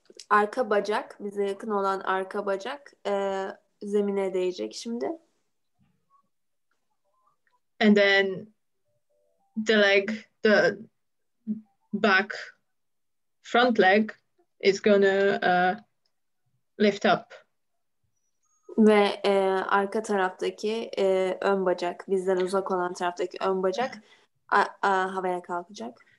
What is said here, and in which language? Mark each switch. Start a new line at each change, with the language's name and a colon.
Turkish: Arka bacak, bize yakın olan arka bacak zemine değecek şimdi.
English: And then the leg, the back front leg is going to lift up.
Turkish: Ve arka taraftaki ön bacak, bizden uzak olan taraftaki ön bacak havaya kalkacak.